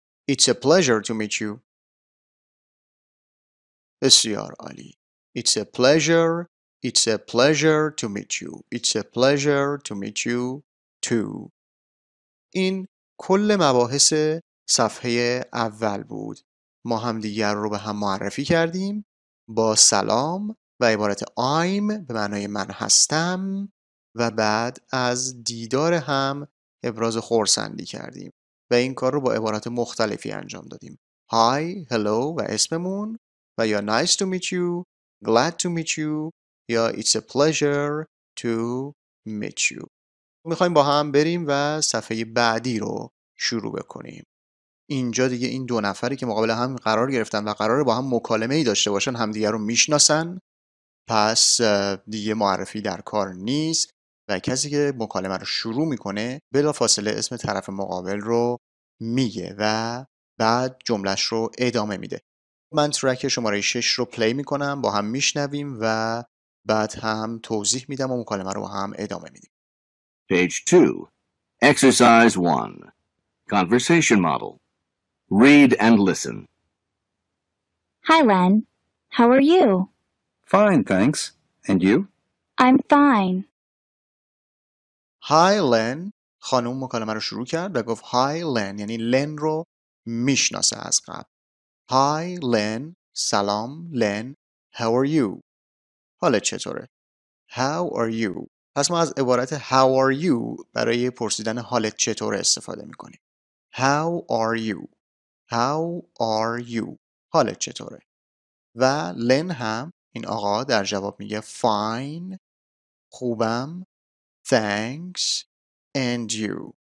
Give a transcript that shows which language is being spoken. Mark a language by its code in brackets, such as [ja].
[en] It's a pleasure to meet you. [fa] بسیار عالی. [en] It's a pleasure. It's a pleasure to meet you. It's a pleasure to meet you too. [fa] این کل مباحث صفحه اول بود. ما هم دیگر رو به هم معرفی کردیم. با سلام و عبارت I'm به معنای من هستم. و بعد از دیدار هم ابراز خرسندی کردیم و این کار رو با عبارات مختلفی انجام دادیم. [en] Hi, hello [fa] و اسممون و یا [en] nice to meet you, glad to meet you یا it's a pleasure to meet you. [fa] میخواییم با هم بریم و صفحه بعدی رو شروع بکنیم. اینجا دیگه این دو نفری که مقابل هم قرار گرفتن و قراره با هم مکالمه ای داشته باشن هم دیگر رو میشناسن، پس دیگه معرفی در کار نیست و کسی که مکالمه رو شروع میکنه بلافاصله اسم طرف مقابل رو میگه و بعد جملهش رو ادامه میده. من ترک شماره 6 رو پلی میکنم، با هم میشنویم و بعد هم توضیح میدم و مکالمه رو هم ادامه میدیم. [en] Page 2. Exercise 1. Conversation model. Read and listen. Hi Len. How are you? Fine, thanks. And you? I'm fine. Hi, Len. [fa] خانم مکالمه رو شروع کرد و گفت [en] Hi, Len. [fa] یعنی Len رو میشناسه از قبل. [en] Hi, Len. سلام, Len. How are you? [fa] حالت چطوره؟ [en] How are you? پس ما از عبارت How are you برای پرسیدن حالت چطوره استفاده میکنیم. How are you? How are you? [fa] حالت چطوره؟ و Len هم این آقا در جواب میگه fine، خوبم، thanks، [en] and you.